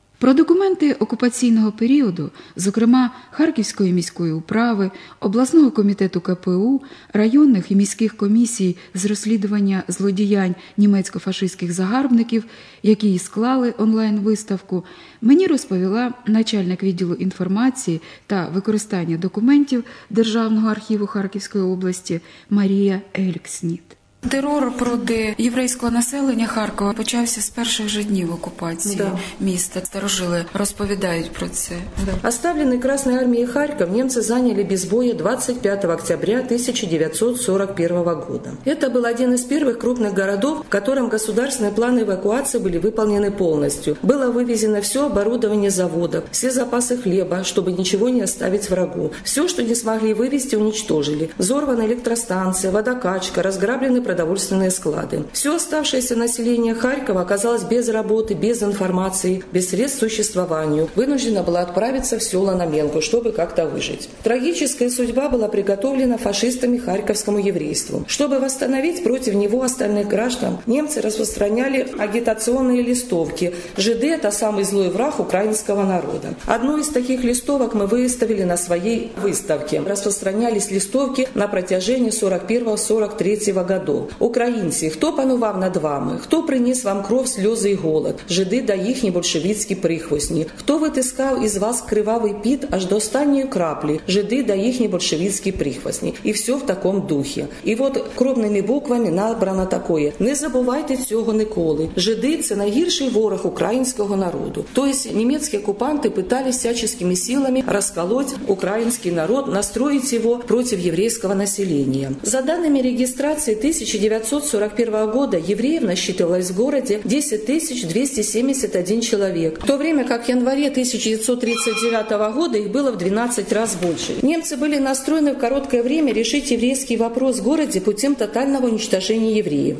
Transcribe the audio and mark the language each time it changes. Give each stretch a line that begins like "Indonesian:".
Ukrainian: Про документи окупаційного періоду, зокрема Харківської міської управи, обласного комітету КПУ, районних і міських комісій з розслідування злодіянь німецько-фашистських загарбників, які і склали онлайн-виставку, мені розповіла начальник відділу інформації та використання документів Державного архіву Харківської області Марія Ельксніт. Терор проти єврейського населення Харкова почався з перших же днів окупації міста. Старожили розповідають про це. Оставлені Красною армією Харків німці зайняли без бою
Russian: 25 октября 1941 года. Это был один из первых крупных городов, в котором государственные планы эвакуации были выполнены полностью. Было вывезено все оборудование заводов, все запасы хлеба, чтобы ничего не оставить врагу. Все, что не смогли вывезти, уничтожили. Взорваны электростанции, водокачка, разграблены продовольственные склады. Все оставшееся население Харькова оказалось без работы, без информации, без средств к существованию. Вынуждено было отправиться в село Наменку, чтобы как-то выжить. Трагическая судьба была приготовлена фашистами харьковскому еврейству. Чтобы восстановить против него остальных граждан, немцы распространяли агитационные листовки. «ЖД – это самый злой враг украинского народа». Одну из таких листовок мы выставили на своей выставке. Распространялись листовки на протяжении 41-43 года.
Ukrainian: Українці, хто панував над вами? Хто приніс вам кров, сльози і голод? Жиди та їхні большевіцькі прихвостні. Хто витискав із вас кривавий піт аж до останньої краплі? Жиди та їхні большевіцькі прихвостні. І все в такому духі. І от крупними буквами набрано таке. Не забувайте цього ніколи. Жиди – це найгірший ворог українського народу. Тобто німецькі окупанти питали всячіскими силами розколоти український народ, настроїти його проти єврейського населення.
Russian: За даними реєстрації 1941 года евреев насчитывалось в городе 10 271 человек, в то время как в январе 1939 года их было в 12 раз больше. Немцы были настроены в короткое время решить еврейский вопрос в городе путем тотального уничтожения евреев.